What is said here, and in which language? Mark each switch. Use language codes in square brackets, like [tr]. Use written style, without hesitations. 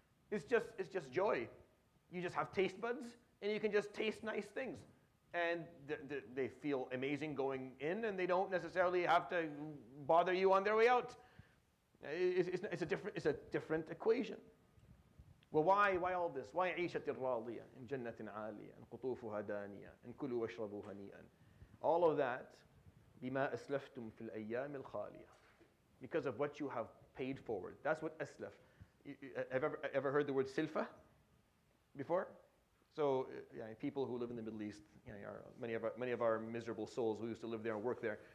[en] It's just joy. You just have taste buds and you can just taste nice things. And they feel amazing going in, and they don't necessarily have to bother you on their way out. It's a different equation. Well, why all this? Why [ar] عيشتي الراضية in جنة عالية and قطوفها دانية and كلوا واشربوا هنيئا? [en] All of that [ar] بما أسلفتم في الأيام الخالية, [en] because of what you have paid forward. That's what أسلف. Have ever heard the word سلفة before? So, people who live in the Middle East, many of our miserable souls who used to live there and work there.